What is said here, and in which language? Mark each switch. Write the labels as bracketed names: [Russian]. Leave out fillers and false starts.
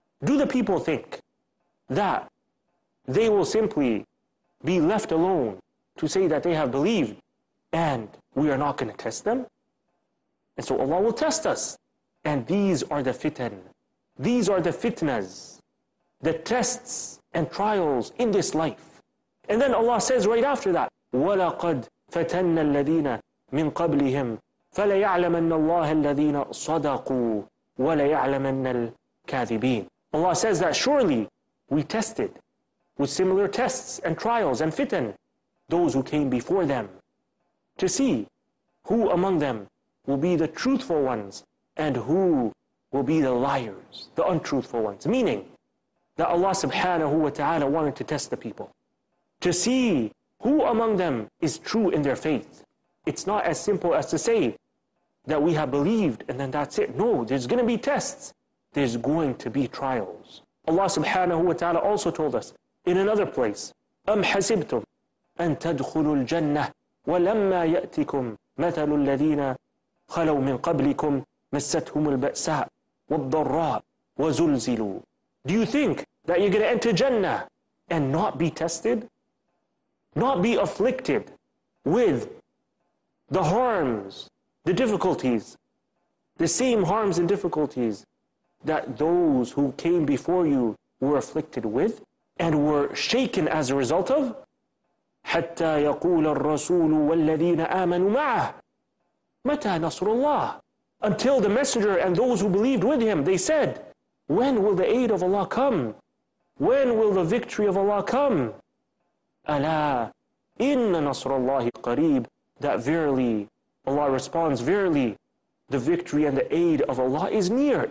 [English] Do the people think that they will simply be left alone to say that they have believed, and we are not going to test them? And so Allah will test us. And these are the fitan, these are the fitnas, the tests and trials in this life. And then Allah says right after that, [Arabic] وَلَقَدْ فَتَنَّ الَّذِينَ مِنْ قَبْلِهِمْ فَلَيَعْلَمَنَّ اللَّهَ الَّذِينَ صَدَقُوا وَلَيَعْلَمَنَّ الْكَاذِبِينَ. [English] Allah says that surely we tested with similar tests and trials and fitan those who came before them, to see who among them will be the truthful ones and who will be the liars, the untruthful ones. Meaning that Allah subhanahu wa ta'ala wanted to test the people, to see who among them is true in their faith. It's not as simple as to say that we have believed and then that's it. No, there's going to be tests. There's going to be trials. Allah subhanahu wa ta'ala also told us in another place, [Arabic] أَمْ حَسِبْتُمْ أَن تَدْخُلُوا الْجَنَّةِ وَلَمَّا يَأْتِكُمْ مَثَلُ الَّذِينَ خَلَوْا مِنْ قَبْلِكُمْ مَسَّتْهُمُ الْبَأْسَاءُ وَالضَّرَّاءُ وَزُلْزِلُوا. [English] Do you think that you're going to enter Jannah and not be tested? Not be afflicted with the harms, the difficulties, The same harms and difficulties that those who came before you were afflicted with and were shaken as a result of. [Arabic] حتى يقول الرسول والذين آمنوا معه متى نصر الله. [English] Until the messenger and those who believed with him, they said, when will the aid of Allah come? When will the victory of Allah come? [Arabic] ألا إن نصر الله قريب. [English] That verily, Allah responds, verily, the victory and the aid of Allah is near.